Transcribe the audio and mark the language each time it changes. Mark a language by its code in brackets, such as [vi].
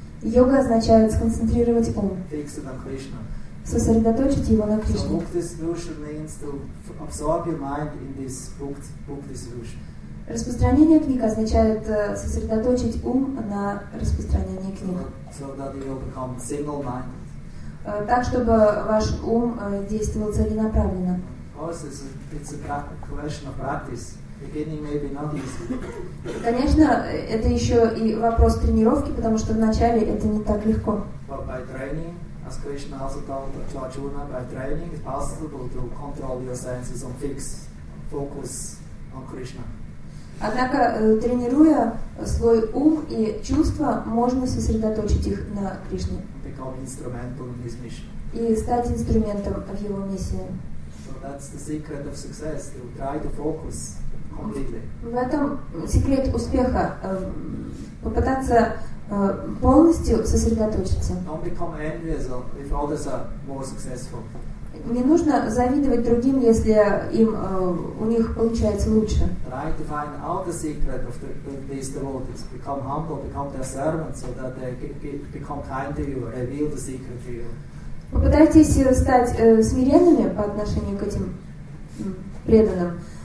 [ru] Йога означает сконцентрировать ум. [en] Fix it on Krishna. [ru] Сосредоточить его на Кришне. [en] So book distribution means to absorb your mind in this book distribution. [ru] Распространение книг означает сосредоточить ум на распространении книг. [en] So that you will become single-minded. [ru] Так, чтобы ваш ум действовал целенаправленно. [en] Of course, it's a question of practice. Beginning maybe not easy. [ru] Конечно, это еще и вопрос тренировки, потому что вначале это не так легко. [en] But by training, as Krishna also told to Arjuna, by training it's possible to control your senses and fix focus on Krishna. [ru] Однако, тренируя свой ум и чувства, можно сосредоточить их на Кришне. [en] Become instrumental in his mission. [ru] И стать инструментом в его миссии. [en] So that's the secret of success, to try to focus. [ru] В этом секрет успеха. Попытаться полностью сосредоточиться. [en] Don't become envious if others are more successful. [ru] Не нужно завидовать другим, если им у них получается лучше. [en] Try to find out the secret of these devotees. Become humble, become their servant, so that they become kind to you, reveal the secret to you. [ru] Попытайтесь стать смиренными по отношению к этим преданным.